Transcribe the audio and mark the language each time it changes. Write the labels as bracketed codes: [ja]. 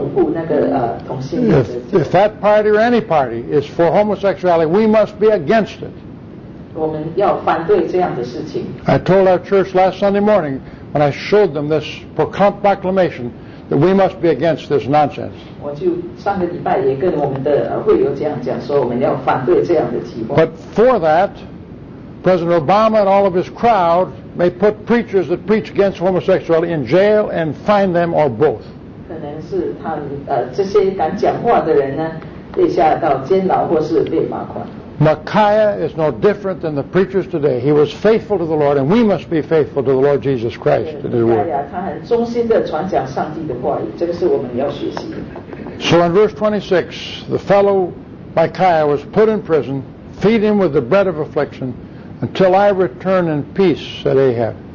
[zh] 这个民主党他们现在有一个计划，就是这些是拥护那个同性恋的。 [en] If that party or any party is for homosexuality, we must be against it. [zh] 我们要反对这样的事情。 [en] I told our church last Sunday morning when I showed them this proclamation that we must be against this nonsense. [zh] 我就上个礼拜也跟我们的会友这样讲，说我们要反对这样的计划。 [en] But for that, President Obama and all of his crowd may put preachers that preach against homosexuality in jail and fine them or both. [zh] 可能是他这些敢讲话的人呢，被下到监牢或是被罚款。Micaiah [en] is no different than the preachers today. He was faithful to the Lord, and we must be faithful to the Lord Jesus Christ in His word. [zh] 他很忠心地传讲上帝的话语，这个是我们要学习的。 [en] So in verse 26, the fellow Micaiah was put in prison, feed him with the bread of affliction, until I return in peace, said Ahab.